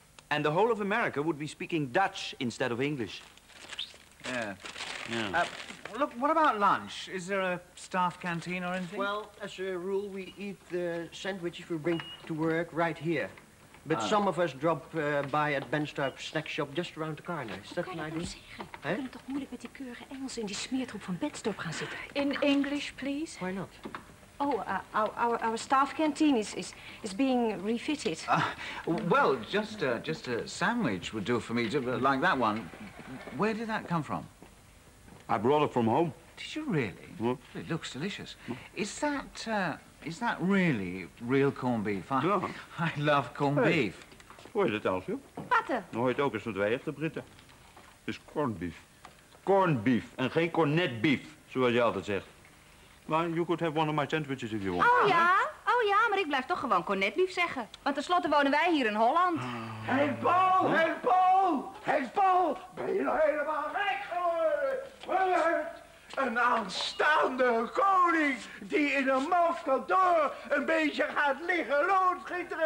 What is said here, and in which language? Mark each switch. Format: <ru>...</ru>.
<en>And the whole of America would be speaking Dutch instead of English. Yeah. Look, what about lunch? Is there a staff canteen or anything? Well, as a rule, we eat the sandwiches we bring to work right here. But some of us drop by at Ben Stuyp's snack shop just around the corner. Is that an idea?</en> <nl>We kunnen toch moeilijk met die keurige Engels in die smeertroep van Ben Stuyp gaan zitten.</nl> <en>In English, please? Why not? Oh, our staff canteen is being refitted. Well, just a sandwich would do for me, like that one. Where did that come from? I brought it from home. Did you really? Well, it looks delicious. Is that really real corned beef? I love corned beef.</en> <nl>Hoor je dat, Elsje? Patten. Dan hoor je het ook eens van twee echte Britten. Het is corned beef. Corned beef en geen cornet beef, zoals je altijd zegt. Maar</nl> <en>you could have one of my sandwiches if you want.</en> <nl>Oh ja, oh ja, maar ik blijf toch gewoon cornetbief zeggen. Want tenslotte wonen wij hier in Holland. Oh. Hey Paul, huh? Hey Paul, hey Paul, ben je nou helemaal gek geworden? Wat? Een aanstaande koning die in een mafkantoor een beetje gaat liggen loodgieteren.</nl>